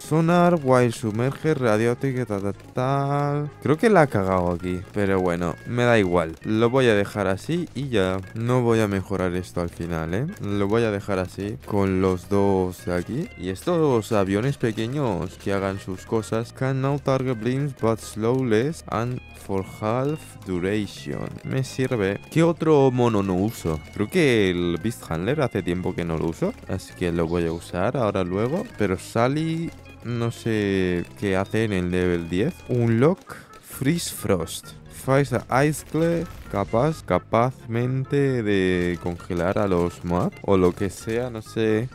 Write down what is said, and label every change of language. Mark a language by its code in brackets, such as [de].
[es] Sonar, Wild Sumerge, Radiotic, tal, tal. Creo que la he cagado aquí. Pero bueno, me da igual. Lo voy a dejar así y ya. No voy a mejorar esto al final, ¿eh? Lo voy a dejar así con los dos de aquí. Y estos aviones pequeños que hagan sus cosas. [en] Can now target blimps but slowly and for half duration. [es] Me sirve. ¿Qué otro mono no uso? Creo que el Beast Handler hace tiempo que no lo uso. Así que lo voy a usar ahora luego. Pero Sally no sé qué hace en el level 10. [en] Unlock Freeze Frost. [es] Faiza Icicle, capazmente de congelar a los Moab o lo que sea, no sé.